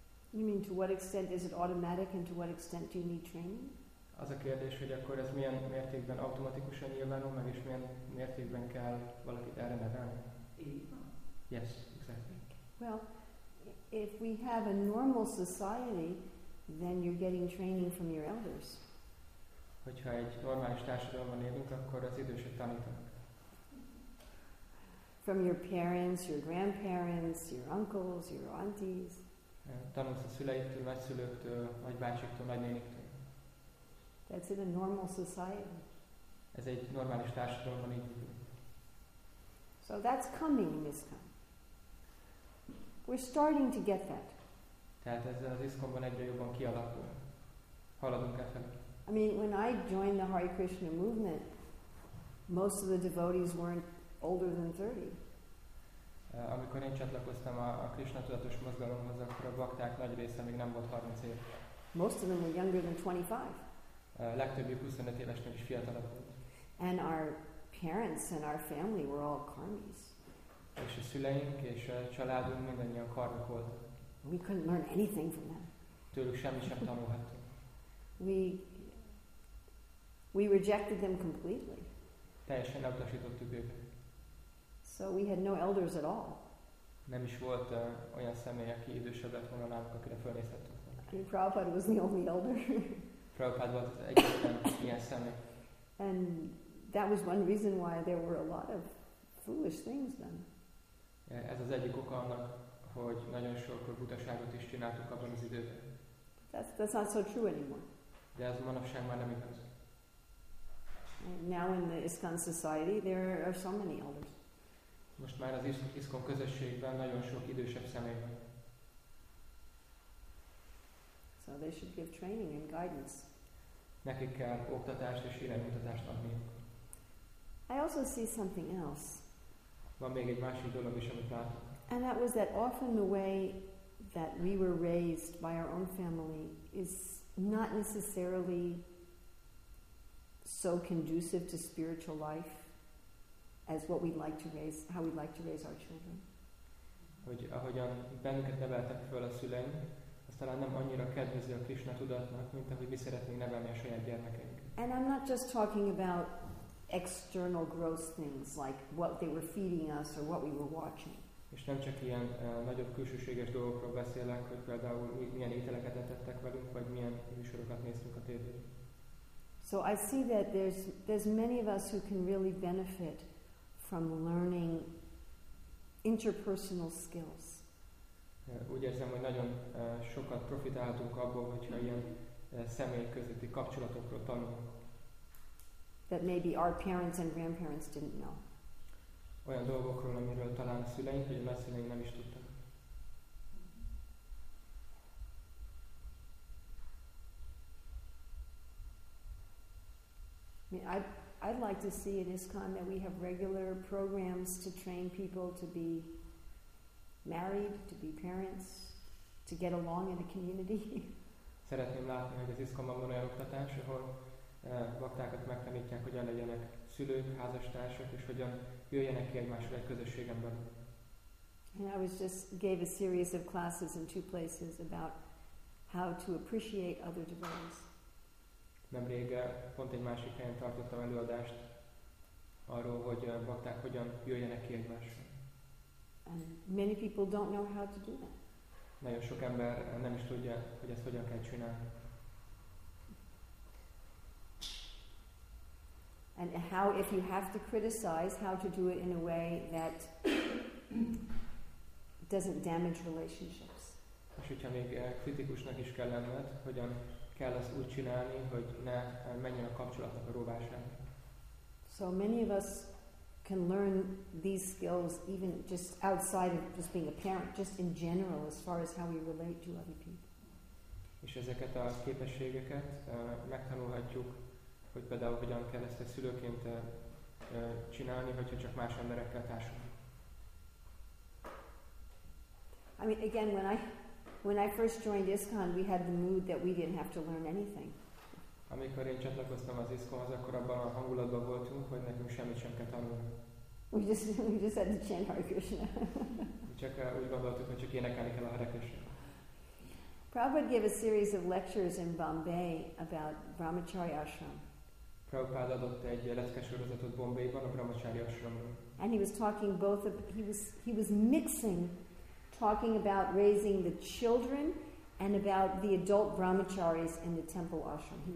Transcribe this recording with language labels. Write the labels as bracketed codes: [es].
[en] You mean to what extent is it automatic and to what extent do you need training? [hu] Az a kérdés, hogy akkor ez milyen mértékben automatikusan nyilvánul meg, és milyen mértékben kell valakit erre nevelni? [en] Yes, exactly. Well, if we have a normal society, then you're getting training from your elders. [hu] Hogyha egy normális társadalomban élünk, akkor az idősek tanítanak. [en] From your parents, your grandparents, your uncles, your aunties. [hu] Tanulsz a szüleitől, nagyszülőktől, nagybácsiktól, nagynéniktől. [en] That's in a normal society. [hu] Ez egy normális társadalomban élünk. [en] So that's coming in this time. We're starting to get that. [hu] Tehát ez az iszkomban egyre jobban kialakul. Haladunk e felé. [en] I mean, when I joined the Hare Krishna movement, most of the devotees weren't older than 30. [hu] Amikor én csatlakoztam a Krishna tudatos mozgalomhoz, akkor a bakták nagy része még nem volt 30 év. [en] Most of them were younger than 25. [hu] Legtöbbjük 25 évesnek is fiatalabb volt. [en] And our parents and our family were all karmis. [hu] És a szüleink és a családunk mindannyian karmik volt. [en] We couldn't learn anything from them. [hu] Tőlük semmit sem tanulhattunk. [en] We rejected them completely. [hu] Teljesen elutasítottuk őket. [en] So we had no elders at all. [hu] Nem is volt olyan személy, aki idősebb lett volna nálunk, akire fölnézhettünk. [en] Prabhupada was the only elder. [hu] Prabhupada volt egyetlen ilyen személy. [en] And that was one reason why there were a lot of foolish things then. [hu] Ez az egyik oka annak, hogy nagyon sokkor butaságot is csináltuk abban az időben. [en] That's not so true anymore. [hu] De ez manapság már nem igaz. [en] Now in the ISKCON society there are so many elders. [hu] Most már az ISKCON közösségben nagyon sok idősebb személy van. [en] So they should give training and guidance. [hu] Nekik kell oktatást és iránymutatást adniuk. [en] I also see something else. [hu] Van még egy másik dolog is, amit látok. [en] And that was that often the way that we were raised by our own family is not necessarily so conducive to spiritual life as what we'd like to raise, how we'd like to raise our children. [hu] Hogy ahogyan bennünket neveltek föl a szüleink, az talán nem annyira kedvező a Krishna tudatnak, mint ahogy mi szeretnénk nevelni a saját gyermekeinket. [en] And I'm not just talking about external gross things like what they were feeding us or what we were watching. [hu] És nem csak ilyen nagyobb külsőséges dolgokról beszélek, hogy például milyen ételeket ettek velünk, vagy milyen műsorokat néztünk a tévében. [en] So I see that there's many of us who can really benefit from learning interpersonal skills. [hu] Úgy érzem, hogy nagyon sokat profitálhatunk abból, hogyha ilyen személy közötti kapcsolatokról tanulunk. [en] That maybe our parents and grandparents didn't know. [hu] Olyan dolgokról, amiről talán a szüleink vagy a nagyszüleink nem is tudtak. [en] I mean, I'd like to see at ISKCON that we have regular programs to train people to be married, to be parents, to get along in a community. [hu] Szeretném látni, hogy az ISKCON-ban van olyan oktatás, ahol baktákat megtanítják, hogyan legyenek szülők, házastársak, és hogyan jöjjenek ki egymással egy közösségen belül. [en] And I was just gave a series of classes in two places about how to appreciate other devotees. [hu] Nemrég pont egy másik helyen tartottam előadást arról, hogy bakták hogyan jöjjenek ki egymással. [en] Many people don't know how to do that. [hu] Nagyon sok ember nem is tudja, hogy ezt hogyan kell csinálni. [en] And how, if you have to criticize, how to do it in a way that doesn't damage relationships. [hu] És hogyha még kritikusnak is kell lenned, hogyan kell ezt úgy csinálni, hogy ne menjen a kapcsolatnak a rovására. [en] So many of us can learn these skills even just outside of just being a parent, just in general, as far as how we relate to other people. [hu] És ezeket a képességeket megtanulhatjuk, hogy például hogyan kell ezt egy szülőként csinálni, hogyha csak más emberekkel társul. [en] I mean, again, when I first joined ISKCON, we had the mood that we didn't have to learn anything. [hu] Amikor én csatlakoztam az ISKCON-hoz, akkor abban a hangulatban voltunk, hogy nekünk semmit sem kell tanulni. [en] We just had to chant Hare Krishna. [hu] Csak úgy gondoltuk, hogy csak énekelni kell a Hare Krishna. [en] Prabhupada gave a series of lectures in Bombay about Brahmacharya Ashram. [hu] Prabhupada adott egy leckesorozatot Bombayban a Brahmacharya Ashramról. [en] And he was talking both of, he was mixing talking about raising the children and about the adult brahmacharis in the temple ashram.